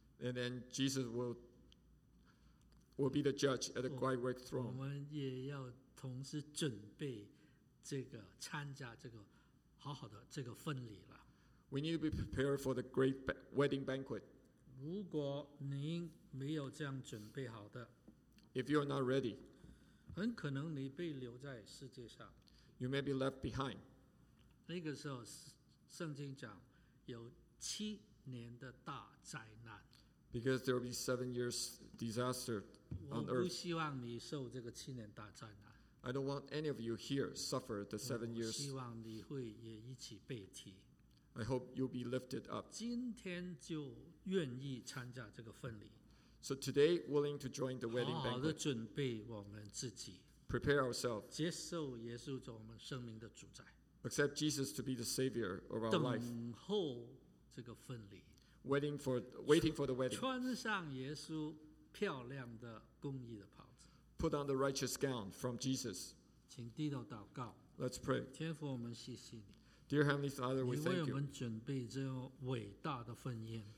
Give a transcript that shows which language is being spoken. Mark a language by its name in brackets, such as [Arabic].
[English] And then Jesus will be the judge at the great white throne. [Chinese] 我们也要同时准备这个参加这个好好的这个婚礼了。 [English] We need to be prepared for the great wedding banquet. [Chinese] 如果您没有这样准备好的 [English] ，If you are not ready， [Chinese] 很可能你被留在世界上。 [English] You may be left behind. [Chinese] 那个时候，圣经讲有七年的大灾难。 [English] Because there will be 7 years disaster on earth. [Chinese] 我不希望你受这个七年大灾难。 [English] I don't want any of you here suffer the 7 years. [Chinese] 我希望你会也一起被提。 [English] I hope you'll be lifted up. [Chinese] 今天就愿意参加这个婚礼。 [English] So today, willing to join the wedding banquet. [Chinese] 好好的准备我们自己。 [English] Prepare ourselves. [Chinese] 接受耶稣做我们生命的主宰。 [English] Accept Jesus to be the savior of our life. [Chinese] 等候这个婚礼。 [English] Waiting for the wedding. [Chinese] 穿上耶稣漂亮的公义的袍子。 [English] Put on the righteous gown from Jesus. [Chinese] 请低头祷告。 [English] Let's pray. [Chinese] 天父，我们谢谢你。 [English] Dear Heavenly Father, we thank you. [Chinese] 你为我们准备这伟大的婚宴。